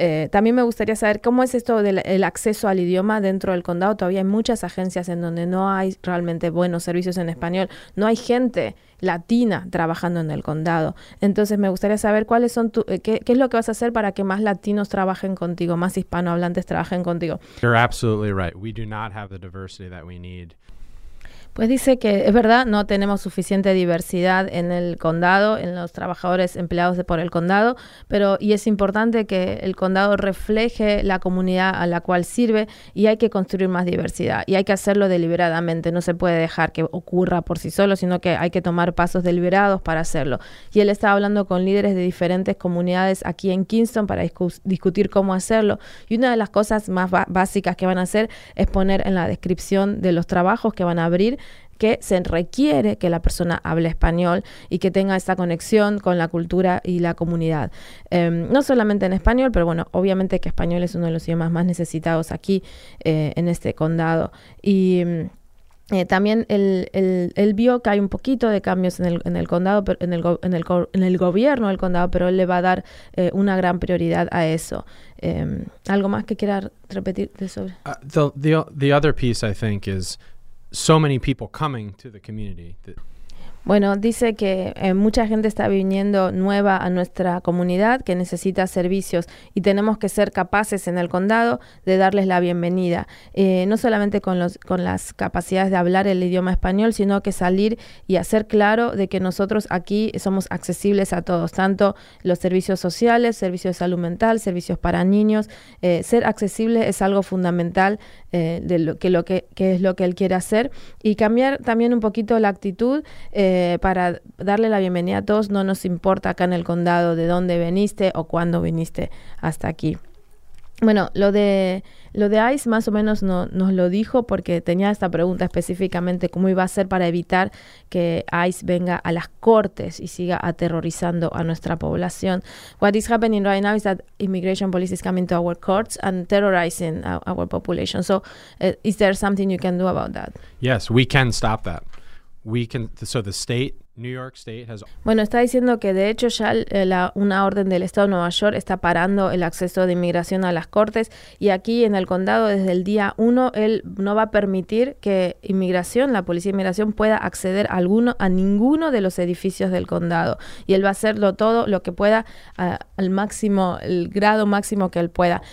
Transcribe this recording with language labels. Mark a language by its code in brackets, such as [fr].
[es] También me gustaría saber cómo es esto del acceso al idioma dentro del condado. Todavía hay muchas agencias en donde no hay realmente buenos servicios en español. No hay gente latina trabajando en el condado. Entonces me gustaría saber cuáles son qué es lo que vas a hacer para que más latinos trabajen contigo, más hispanohablantes trabajen contigo. [en] You're absolutely right. We do not have the diversity that we need. [es] Pues dice que es verdad, no tenemos suficiente diversidad en el condado, en los trabajadores empleados por el condado, pero y es importante que el condado refleje la comunidad a la cual sirve, y hay que construir más diversidad y hay que hacerlo deliberadamente. No se puede dejar que ocurra por sí solo, sino que hay que tomar pasos deliberados para hacerlo. Y él estaba hablando con líderes de diferentes comunidades aquí en Kingston para discutir cómo hacerlo. Y una de las cosas más básicas que van a hacer es poner en la descripción de los trabajos que van a abrir que se requiere que la persona hable español y que tenga esa conexión con la cultura y la comunidad. No solamente en español, pero bueno, obviamente que español es uno de los idiomas más necesitados aquí en este condado. Y también él vio que hay un poquito de cambios en el condado, en el gobierno del condado, pero él le va a dar una gran prioridad a eso. ¿Algo más que quiera repetir de sobre? [en] The other piece, I think, is so many people coming to the community. [es] Bueno, dice que mucha gente está viniendo nueva a nuestra comunidad que necesita servicios, y tenemos que ser capaces en el condado de darles la bienvenida, no solamente con las capacidades de hablar el idioma español, sino que salir y hacer claro de que nosotros aquí somos accesibles a todos, tanto los servicios sociales, servicios de salud mental, servicios para niños. Ser accesible es algo fundamental de lo que es lo que él quiere hacer, y cambiar también un poquito la actitud. Para darle la bienvenida a todos, no nos importa acá en el condado de dónde viniste o cuándo viniste hasta aquí. Bueno, lo de ICE más o menos nos lo dijo, porque tenía esta pregunta específicamente, cómo iba a ser para evitar que ICE venga a las cortes y siga aterrorizando a nuestra población. [en] What is happening right now is that immigration police is coming to our courts and terrorizing our population. So is there something you can do about that? Yes, we can stop that. So the state, New York State, has. [es] Bueno, está diciendo que de hecho ya una orden del estado de Nueva York está parando el acceso de inmigración a las cortes, y aquí en el condado desde el día uno él no va a permitir que inmigración, la policía de inmigración, pueda acceder a ninguno de los edificios del condado, y él va a hacerlo todo lo que pueda al grado máximo que él pueda.